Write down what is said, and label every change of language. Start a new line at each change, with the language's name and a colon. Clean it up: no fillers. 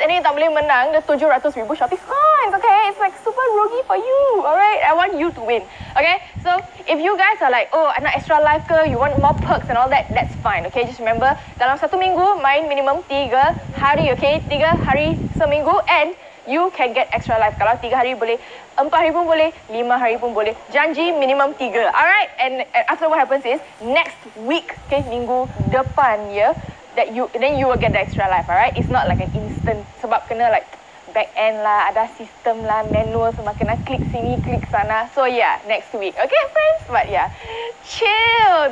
English: And then you
Malay: tak boleh menang
English: the 700,000 Shopee coins, okay? It's like super rogi for you, alright? I want you to win, okay? So if you guys are like, oh, I
Malay: nak
English: extra life ke, you want more perks and all that, that's fine, okay? Just remember,
Malay: dalam satu minggu, main minimum 3 hari, okay?
English: 3
Malay: hari seminggu
English: and you can get extra life.
Malay: Kalau 3 hari boleh, 4 hari pun boleh, 5 hari pun boleh. Janji minimum 3. Alright?
English: And after what happens is, next week, okay,
Malay: minggu depan,
English: yeah, that you, then you will get the extra life, alright? It's not like an instant.
Malay: Sebab kena like, back end lah, ada sistem lah, manual semua, kena klik sini, klik sana.
English: So yeah, next week. Okay, friends? But yeah, chill.